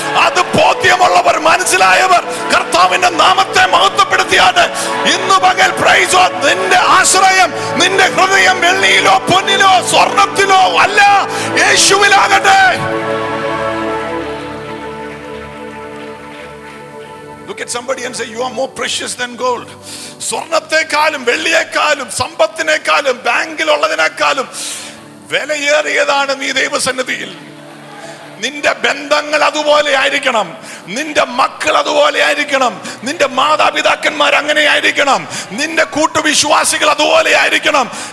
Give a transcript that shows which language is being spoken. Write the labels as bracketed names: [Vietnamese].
[Malayalam] അത് ബോധ്യമുള്ളവർ മനസ്സിലായവർ കർത്താവിന്റെ നാമത്തെ മഹത്വപ്പെടുത്തിയാണ് ഇന്ന് പകൽ പ്രൈസോ. നിന്റെ ആശ്രയം, നിന്റെ ഹൃദയം വെള്ളിയിലോ പൊന്നിലോ സ്വർണത്തിലോ അല്ല, യേശുവിലാകട്ടെ. [English] Look at somebody and say, you are more precious than gold. [Malayalam] സ്വർണത്തെക്കാളും വെള്ളിയേക്കാളും സമ്പത്തിനേക്കാളും ബാങ്കിൽ ഉള്ളതിനേക്കാളും വിലയേറിയതാണ് നീ ദൈവസന്നിധിയിൽ. നിന്റെ ബന്ധങ്ങൾ അതുപോലെ ആയിരിക്കണം, നിന്റെ മക്കൾ അതുപോലെ ആയിരിക്കണം, നിന്റെ മാതാപിതാക്കന്മാർ അങ്ങനെ ആയിരിക്കണം, നിന്റെ കൂട്ടുവിശ്വാസികൾ അതുപോലെ ആയിരിക്കണം.